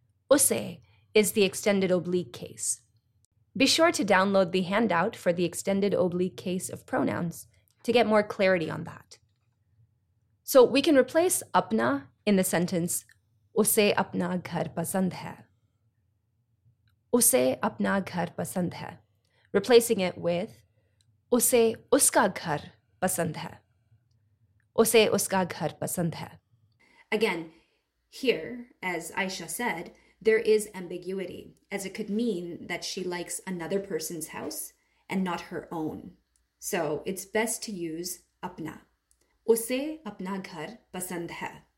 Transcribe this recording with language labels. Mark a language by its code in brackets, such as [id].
[en] उसे is the extended oblique case. Be sure to download the handout for the extended oblique case of pronouns to get more clarity on that. So we can replace apna in the sentence [hi] उसे अपना घर पसंद है. उसे अपना घर पसंद है. [en] Replacing it with [hi] उसे उसका घर पसंद है. उसे उसका घर पसंद है. [en] Again, here, as Aisha said, there is ambiguity, as it could mean that she likes another person's house and not her own. So it's best to use apna. [hi] उसे अपना घर पसंद है.